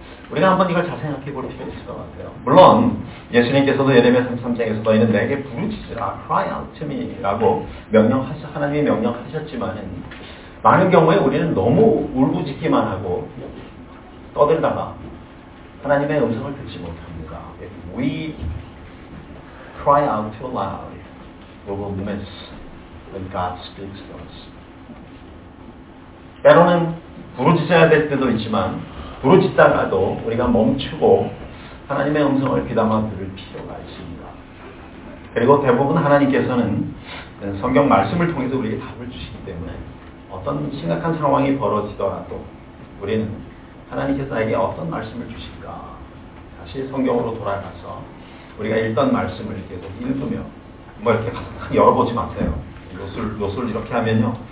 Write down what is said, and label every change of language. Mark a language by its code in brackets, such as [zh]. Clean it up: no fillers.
[ko] 우리가 한번 이걸 잘 생각해 볼 필요가 있을 것 같아요. 물론 예수님께서도 예레미야 33장에서 너희는 내게 부르짖으라 [en] cry out to me [ko] 라고 하나님이 명령하셨지만 많은 경우에 우리는 너무 울부짖기만 하고 떠들다가 하나님의 음성을 듣지 못합니다. [en] We cry out too loud. We will miss when God speaks to us. [ko] 때로는 부르짖어야 될 때도 있지만 부르짖다가도 우리가 멈추고 하나님의 음성을 귀담아 들을 필요가 있습니다. 그리고 대부분 하나님께서는 성경 말씀을 통해서 우리에게 답을 주시기 때문에 어떤 심각한 상황이 벌어지더라도 우리는 하나님께서 나에게 어떤 말씀을 주실까 다시 성경으로 돌아가서 우리가 읽던 말씀을 계속 읽으며 뭐 이렇게 가득 열어보지 마세요. 요술 이렇게 하면요.